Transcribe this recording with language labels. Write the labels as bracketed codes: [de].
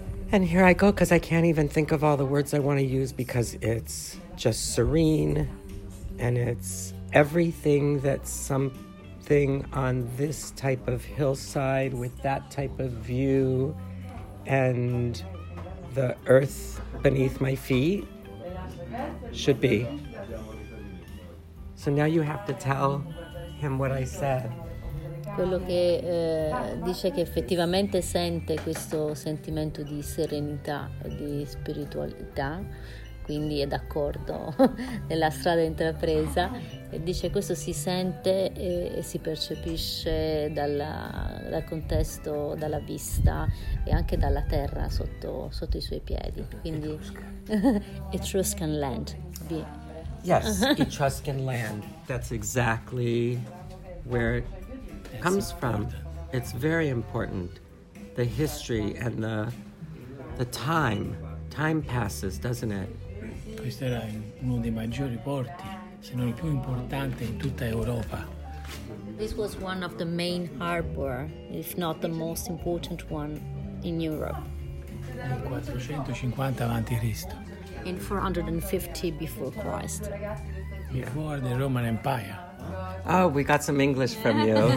[en] And here I go, because I can't even think of all the words I want to use, because it's just serene and it's everything that something on this type of hillside with that type of view and the earth beneath my feet should be. So now you have to tell him what I said. [it] Quello che dice che effettivamente sente questo sentimento di serenità e di spiritualità, quindi è d'accordo nella strada intrapresa, e dice questo si sente e si percepisce dal contesto, dalla vista e anche dalla terra sotto i suoi piedi. [en] Quindi Etruscan land. Yes, Etruscan land. That's exactly where it comes from. It's very important, the history and the time passes, doesn't it? [it] Questo era uno dei maggiori porti, se non il più importante in tutta Europa. [en] This was one of the main harbor, if not the most important one in Europe. [it] In 450 avanti Cristo. [en] In 450 before Christ. Yeah. Before the Roman Empire. Oh, we got some English from you.